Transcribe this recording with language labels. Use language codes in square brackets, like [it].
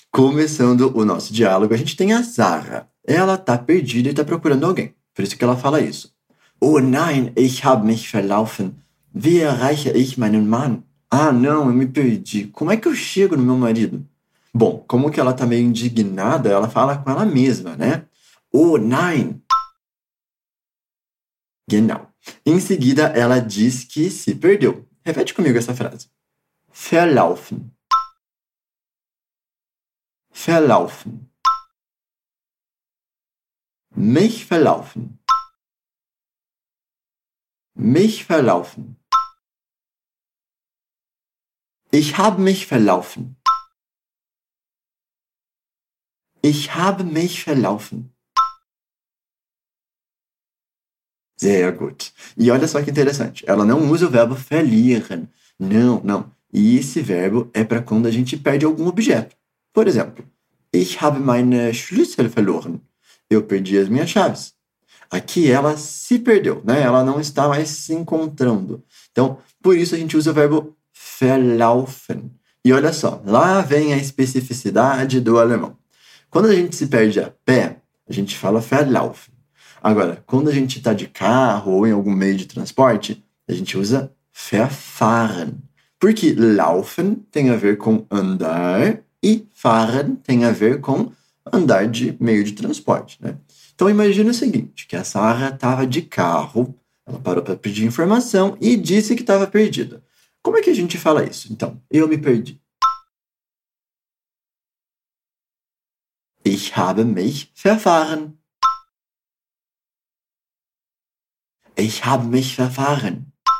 [pt] Começando o nosso diálogo, a gente tem a Sarah. Ela tá perdida e tá procurando alguém. Por isso que ela fala isso. [de] Oh nein, ich habe mich verlaufen. Wie erreiche ich meinen Mann? [pt] Ah não, eu me perdi. Como é que eu chego no meu marido? Bom, como que ela tá meio indignada, ela fala com ela mesma, né? [de] Oh nein! Genau. [pt] Em seguida, ela diz que se perdeu. Repete comigo essa frase. [de] Verlaufen. Verlaufen. Mich verlaufen. Mich verlaufen. Ich habe mich verlaufen. Ich habe mich verlaufen. Sehr gut. [pt] E olha só que interessante. Ela não usa o verbo verlieren. Não, não. E esse verbo é para quando a gente perde algum objeto. [de] Por exemplo, ich habe meine Schlüssel verloren. [pt] Eu perdi as minhas chaves. Aqui ela se perdeu, né? Ela não está mais se encontrando. Então, por isso a gente usa o verbo verlaufen. E olha só, lá vem a especificidade do alemão. Quando a gente se perde a pé, a gente fala verlaufen. Agora, quando a gente está de carro ou em algum meio de transporte, a gente usa verfahren. Porque laufen tem a ver com andar e fahren tem a ver com andar de meio de transporte, né? Então, imagina o seguinte, que a Sarah estava de carro, ela parou para pedir informação e disse que estava perdida. Como é que a gente fala isso? Então, eu me perdi. [de] Ich habe mich verfahren. Ich habe mich verfahren.